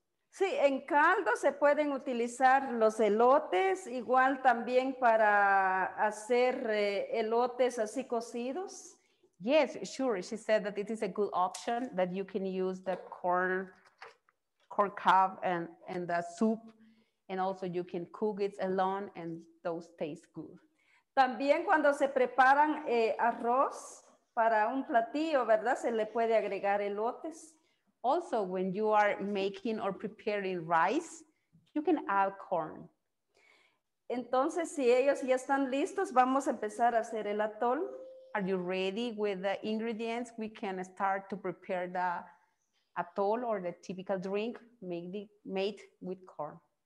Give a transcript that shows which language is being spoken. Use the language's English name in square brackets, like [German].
[Spanish] Sí, en caldo se pueden utilizar los elotes, igual también para hacer elotes así cocidos. [English] Yes, sure. She said that it is a good option that you can use the corn cob and the soup, and also you can cook it alone and those taste good. [Spanish] También cuando se preparan arroz para un platillo, ¿verdad? Se le puede agregar elotes. [English] Also, when you are making or preparing rice, you can add corn. [Spanish] Entonces, si ellos ya están listos, vamos a empezar a hacer el atol. [English] Are you ready with the ingredients? We can start to prepare the atol or the typical drink made with corn.